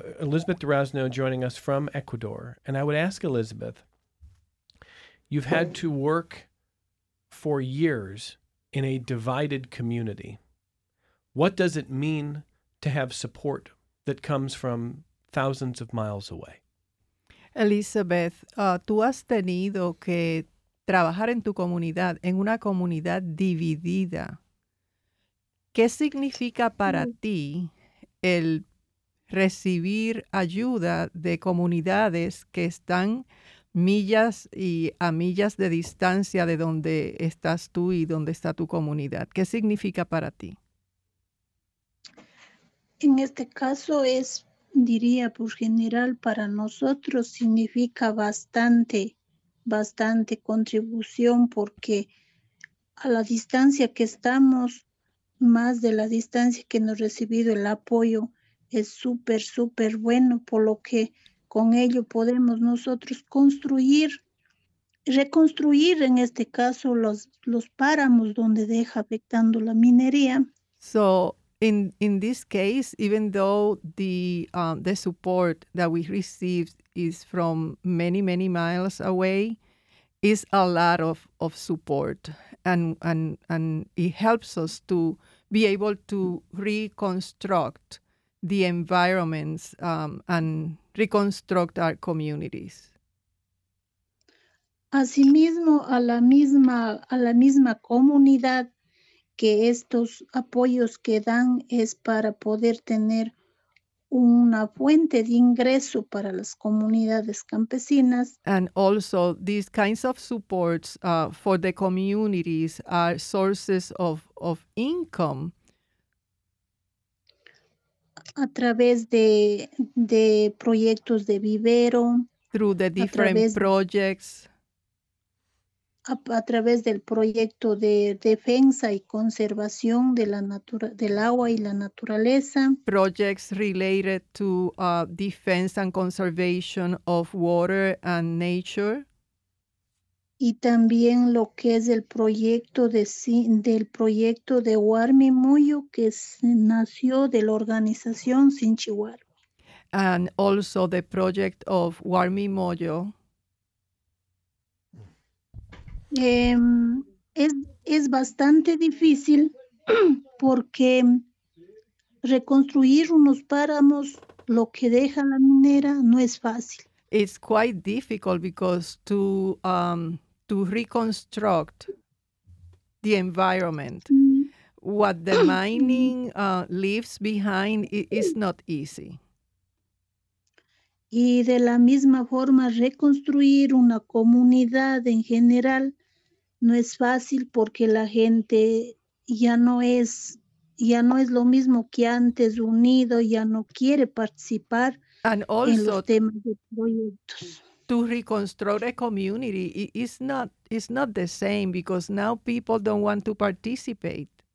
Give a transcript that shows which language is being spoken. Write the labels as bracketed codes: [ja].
[en] Elizabeth Durazno joining us from Ecuador. And I would ask Elizabeth, you've had to work for years in a divided community. What does it mean to have support that comes from thousands of miles away? [es] Elizabeth, tú has tenido que trabajar en tu comunidad, en una comunidad dividida. ¿Qué significa para ti el recibir ayuda de comunidades que están millas y a millas de distancia de donde estás tú y donde está tu comunidad? ¿Qué significa para ti? En este caso es, diría, por general, para nosotros significa bastante, bastante contribución, porque a la distancia que estamos, más de la distancia que nos ha recibido el apoyo, es súper, súper bueno, por lo que con ello podemos nosotros construir, reconstruir en este caso los páramos donde deja afectando la minería. [en] So, in this case, even though the support that we received is from many, many miles away, is a lot of support, and it helps us to be able to reconstruct the environments and reconstruct our communities. [es] Asimismo, a la misma comunidad que estos apoyos que dan es para poder tener una fuente de ingreso para las comunidades campesinas. [en] And also, these kinds of supports for the communities are sources of income. [es] A través de proyectos de vivero. [en] Through the different projects. [es] A través del proyecto de defensa y conservación de la del agua y la naturaleza. [en] Projects related to defense and conservation of water and nature. [es] Y también lo que es el proyecto del proyecto de Warmi Muyo, que nació de la organización Sinchiwar. [en] And also the project of Warmi Muyo. [es] Es bastante difícil porque reconstruir unos páramos, lo que deja la minera, no es fácil. [en] It's quite difficult because to reconstruct the environment, what the mining leaves behind, is not easy. [es] Y de la misma forma, reconstruir una comunidad en general no es fácil porque la gente ya no es lo mismo que antes, unido, ya no quiere participar en los temas de proyectos. [en] To reconstruct a community is not the same because now people don't want to participate.